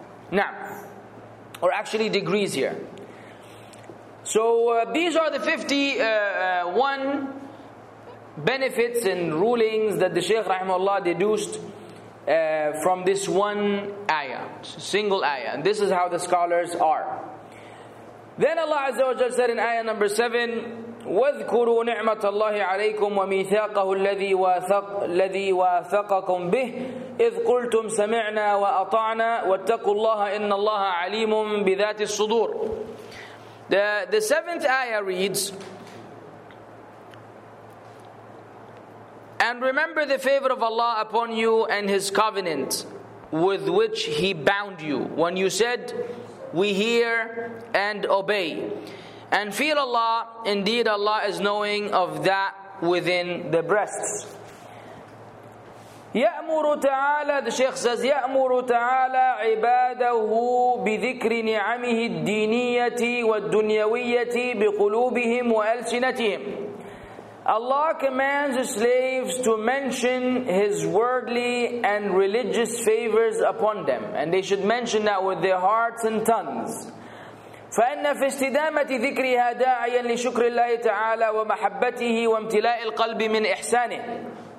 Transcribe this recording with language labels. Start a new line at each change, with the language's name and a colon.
English: Now, or actually degrees here. So these are the 51 benefits and rulings that the Shaykh rahimahullah deduced from this one ayah, single ayah. And this is how the scholars are. Then Allah Azza wa Jal said in ayah number 7,
Arabic: وَذْكُرُوا نِعْمَةَ اللَّهِ عَلَيْكُمْ وَمِيثَاقَهُ الَّذِي وَاثَقَكُمْ بِهِ إِذْ قُلْتُمْ سَمِعْنَا وَأَطَعْنَا وَاتَّقُوا اللَّهَ إِنَّ اللَّهَ عَلِيمٌ بِذَاتِ الصُّدُورِ.
English: The seventh ayah reads, and remember the favor of Allah upon you and His covenant with which He bound you when you said, we hear and obey. And fear Allah, indeed Allah is knowing of that within the breasts.
Arabic: يأمر تعالى,
English: the Shaykh says,
Arabic: يأمر تعالى عباده بذكر نعمه الدينية والدنيوية بقلوبهم وألسنتهم.
English: Allah commands His slaves to mention His worldly and religious favors upon them. And they should mention that with their hearts and tongues.
Arabic: فَإِنَّ فِي اسْتِدَامَةِ ذِكْرِهَا دَاعِيًا لِشُكْرِ اللَّهِ تَعَالَى وَمَحَبَّتِهِ وَامْتِلَاءِ الْقَلْبِ مِنْ إِحْسَانِهِ.